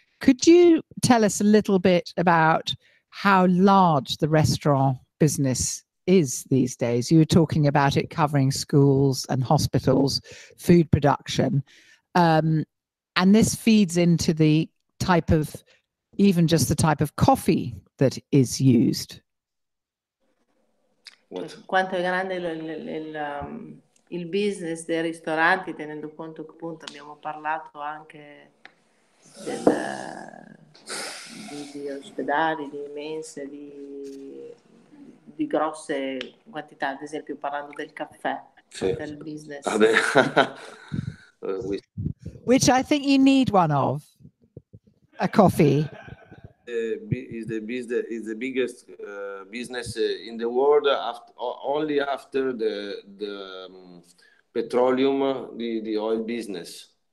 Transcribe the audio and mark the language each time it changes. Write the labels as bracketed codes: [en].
[en] Could you tell us a little bit about how large the restaurant business is these days? You were talking about it covering schools and hospitals, food production. And this feeds into the type of, even just the type of coffee that is used. What? [it] Quanto è grande il business dei ristoranti, tenendo conto che appunto abbiamo parlato anche del... di ospedali, di mense, di grosse quantità, ad esempio parlando del caffè, sì, del business. Vabbè. [en] Which I think you need one of, a coffee. Is the biggest business in the world, only after the petroleum, the oil business.